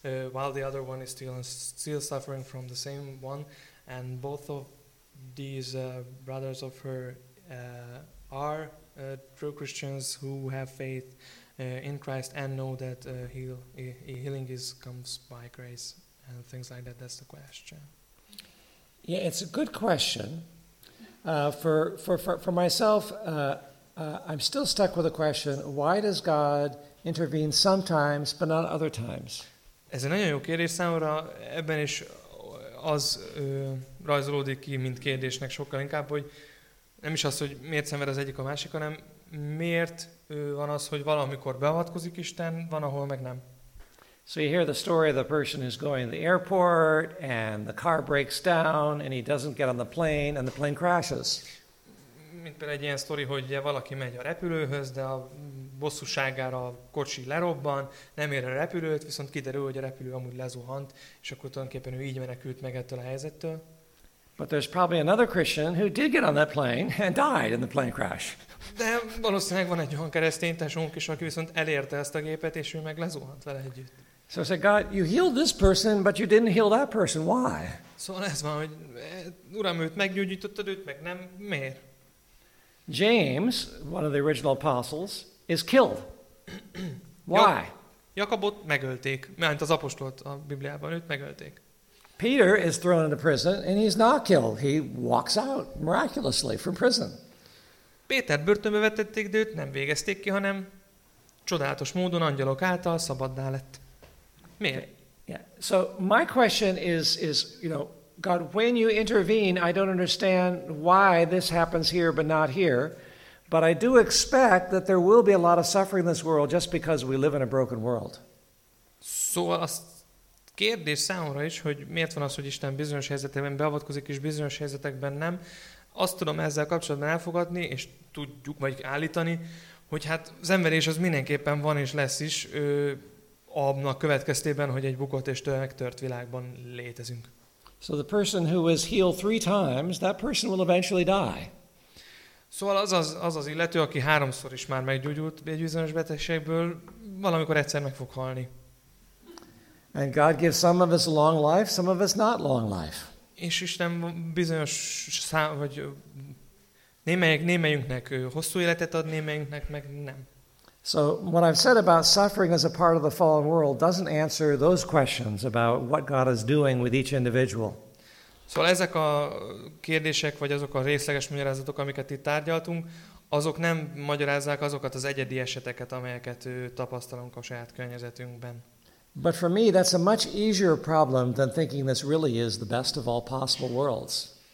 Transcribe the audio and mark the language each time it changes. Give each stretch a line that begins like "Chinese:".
English: while the other one is still suffering from the same one, and both of these brothers of her are true Christians who have faith in Christ and know that healing is comes by grace and things like that. That's the question. Yeah, it's a good question. For myself, I'm still stuck with the question: why does God intervene sometimes but not other times?
Hungarian: Ez egy nagyon jó kérdés számomra, ebben is az rajzolódik ki, mint kérdésnek sokkal inkább, hogy nem is az, hogy miért szenved az egyik a másik, hanem miért van az, hogy valamikor beavatkozik Isten, van, ahol meg nem.
English: So you hear the story of the person who's going to the airport, and the car breaks down, and he doesn't get on the plane, and the plane crashes.
Hungarian: Mint például egy ilyen sztori, hogy valaki megy a repülőhöz, de a bosszúságára a kocsi lerobban, nem ér a repülőt, viszont kiderül, hogy a repülő amúgy lezuhant, és akkor tulajdonképpen ő így menekült meg ettől a helyzettől.
English: But there's probably another Christian who did get on that plane and died in the plane crash.
Hungarian: De valószínűleg van egy olyan keresztény testvérünk is, aki viszont elérte ezt a gépet, és ő meg lezuhant vele együtt.
English: So I said, God, you healed this person, but you didn't heal that person. Why?
Hungarian: Szóval ez van, hogy Uram, őt meggyógyítottad, őt meg nem. Miért?
English: James, one of the original apostles, is killed. Why?
Hungarian: Jakabot megölték, mert az apostolt a Bibliában őt megölték.
English: Peter is thrown into prison and he's not killed. He walks out miraculously from prison.
Hungarian: Péter börtönbe vetették, de őt nem végezték ki, hanem csodálatos módon angyalok által szabaddá lett. Miért?
English: Yeah. So my question is, you know, God, when you intervene, I don't understand why this happens here but not here, but I do expect that there will be a lot of suffering in this world just because we live in a broken world.
Hungarian: Szóval azt kérdés számomra is, hogy miért van az, hogy Isten bizonyos helyzetekben beavatkozik és bizonyos helyzetekben nem. Azt tudom ezzel kapcsolatban elfogadni, és tudjuk vagy állítani, hogy hát szenvedés az mindenképpen van és lesz is, annak következtében, hogy egy bukott és megtört világban létezünk.
English: So the person who is healed three times, that person will eventually die.
Hungarian: Szóval az illető, aki háromszor is már meggyógyult egy bizonyos betegségből, valamikor egyszer meg fog halni.
English: And God gives some of us long life, some of us not long life.
Hungarian: És Isten bizonyos szám, vagy némelyünknek hosszú életet ad, némelyünknek meg nem.
English: So what I've said about suffering as a part of the fallen world doesn't answer those questions about what God is doing with each individual.
Hungarian: Szóval ezek a kérdések, vagy azok a részleges magyarázatok, amiket itt tárgyaltunk, azok nem magyarázzák azokat az egyedi eseteket, amelyeket tapasztalunk a saját környezetünkben.
English: But for me, that's a much easier problem than thinking this really is the best of all possible worlds.